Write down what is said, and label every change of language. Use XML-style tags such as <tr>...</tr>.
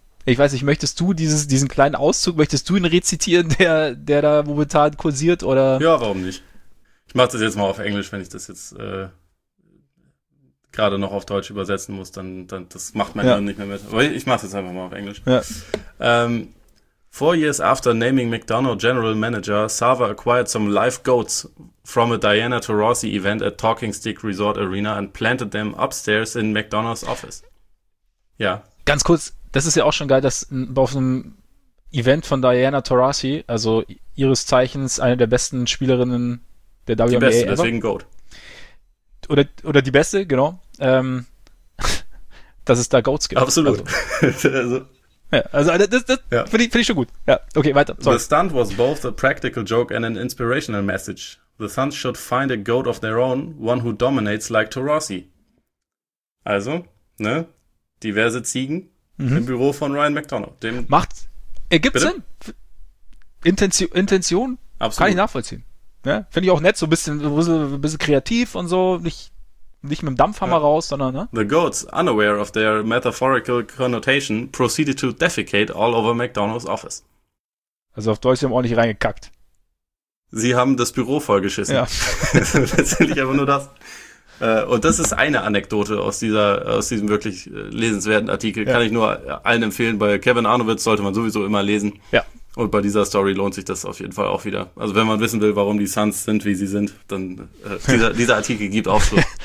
<de>Ich weiß nicht, möchtest du diesen kleinen Auszug, möchtest du ihn rezitieren, der da momentan kursiert, oder? Ja, warum nicht? Ich mach das jetzt mal auf Englisch, wenn ich das jetzt gerade noch auf Deutsch übersetzen muss, dann das macht mein Hirn, ja, nicht mehr mit. Aber ich mach's jetzt einfach mal auf Englisch. Ja.</de> <en>4 years after naming McDonough general manager, Sava acquired some live goats from a Diana Taurasi event at Talking Stick Resort Arena and planted them upstairs in McDonough's office.</en> <de>Ja. Ganz kurz, das ist ja auch schon geil, dass auf einem Event von Diana Taurasi, also ihres Zeichens eine der besten Spielerinnen der WNBA. Die beste, deswegen Goat. Oder die beste, genau. dass es da Goats gibt. Absolut. Also, das finde ich schon gut. Ja, okay, weiter.</de> <en>Sorry. The stunt was both a practical joke and an inspirational message. The Suns should find a goat of their own, one who dominates like Taurasi.</en> <de>Also, ne? Diverse Ziegen im Büro von Ryan McDonough. Dem macht, ergibt Sinn. Intention absolut. Kann ich nachvollziehen. Ja, finde ich auch nett, so ein bisschen kreativ und so, nicht mit dem Dampfhammer raus, sondern, ne?</de> <en>The goats, unaware of their metaphorical connotation, proceeded to defecate all over McDonough's office.</en> <de>Also auf Deutsch, haben ordentlich reingekackt. Sie haben das Büro vollgeschissen. Ja. Letztendlich einfach nur das. Und das ist eine Anekdote aus diesem wirklich lesenswerten Artikel. Ja. Kann ich nur allen empfehlen. Bei Kevin Arnowitz sollte man sowieso immer lesen. Ja. Und bei dieser Story lohnt sich das auf jeden Fall auch wieder. Also wenn man wissen will, warum die Suns sind, wie sie sind, dann dieser Artikel gibt auch so</de>